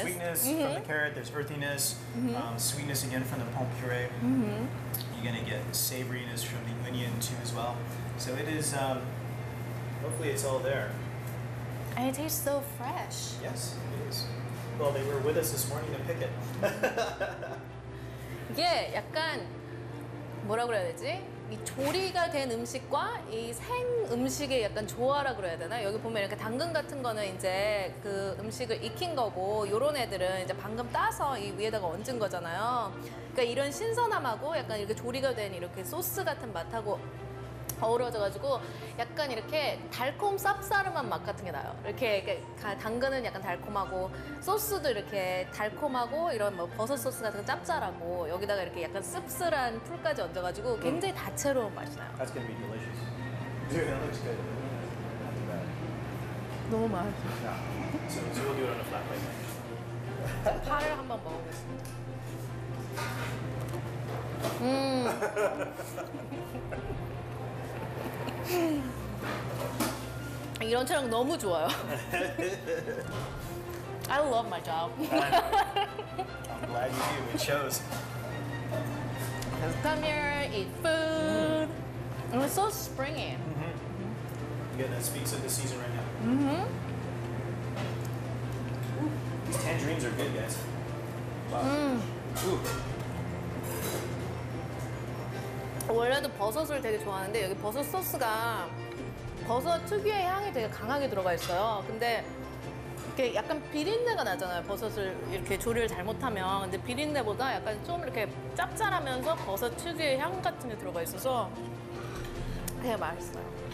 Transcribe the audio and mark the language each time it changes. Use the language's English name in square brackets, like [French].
[English] There's sweetness from the carrot. There's earthiness. Mm-hmm. Sweetness, again, from the pulp puree. Mm-hmm. You're going to get savoriness from the onion, too, as well. So it is, hopefully it's all there. And it tastes so fresh. Yes, it is. Well, they were with us this morning to pick it. [Korean] 이게 약간 뭐라 그래야 되지? 이 조리가 된 음식과 이 생 음식의 약간 조화라 그래야 되나? 여기 보면 이렇게 당근 같은 거는 이제 그 음식을 익힌 거고 요런 애들은 이제 방금 따서 이 위에다가 얹은 거잖아요. 그러니까 이런 신선함하고 약간 이렇게 조리가 된 이렇게 소스 같은 맛하고 어우러져가지고 약간 이렇게 달콤 쌉싸름한 맛 같은 게 나요. 이렇게 당근은 약간 달콤하고 소스도 이렇게 달콤하고 이런 뭐 버섯 소스 같은 거 짭짤하고 여기다가 이렇게 약간 씁쓸한 풀까지 얹어가지고 굉장히 다채로운 맛이 나요. [English] That's gonna be delicious. Dude, that looks good. Not too bad. [Korean] 너무 맛있어. [English] Yeah. So we'll do it on a flat plate. [Korean] 파를 한번 먹어보겠습니다. 이런 촬영 너무 좋아요. [English] I love my job. I'm glad you do. It shows. Come here, eat food. Mm. It's so springy. You get that speaks of the season right now. These tangerines are good, guys. Wow. Mm. Ooh. [Korean] 원래도 버섯을 되게 좋아하는데 여기 버섯 소스가 버섯 특유의 향이 되게 강하게 들어가 있어요. 근데 이렇게 약간 비린내가 나잖아요. 버섯을 이렇게 조리를 잘못하면 근데 비린내보다 약간 좀 이렇게 짭짤하면서 버섯 특유의 향 같은 게 들어가 있어서 되게 맛있어요.